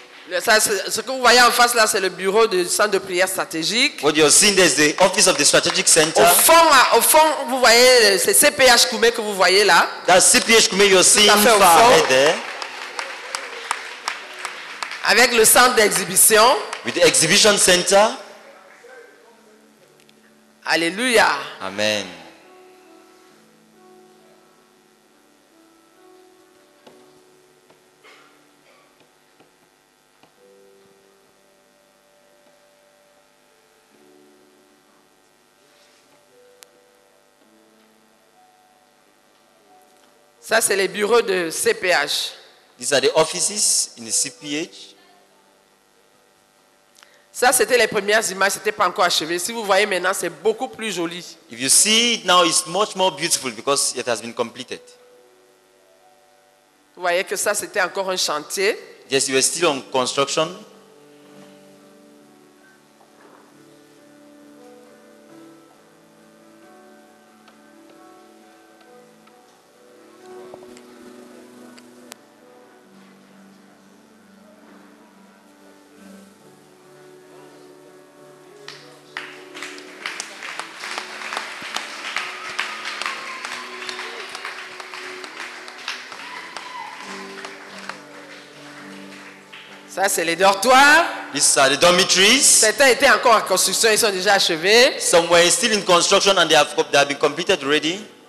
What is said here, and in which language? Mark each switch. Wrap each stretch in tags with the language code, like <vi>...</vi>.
<fr>Là, ça, ce que vous voyez en face là, c'est le bureau du centre de prière stratégique.</fr> <en>What you're seeing there is the office of the strategic center.</en> <fr>Au fond, vous voyez c'est CPH Koume que vous voyez là.</fr> <en>That CPH Koume you're seeing far ahead there.</en> <fr>Avec le centre d'exhibition.</fr> <en>With the exhibition center.</en> <fr>Alléluia. Amen. Ça, c'est les bureaux de CPH.</fr> <en>These are the offices in the CPH.</en> <fr>Ça, c'était les premières images, c'était pas encore achevé. Si vous voyez maintenant, c'est beaucoup plus joli.</fr> <en>If you see it now, it's much more beautiful because it has been completed.</en> <fr>Vous voyez que ça, c'était encore un chantier.</fr> <en>Yes, you are still on construction.</en> <fr>Ça, c'est les dortoirs.</fr> <en>These are the dormitories.</en> <fr>Certains étaient encore en construction, ils sont déjà achevés.</fr> <en>Some were still in construction and they have been completed already.</en>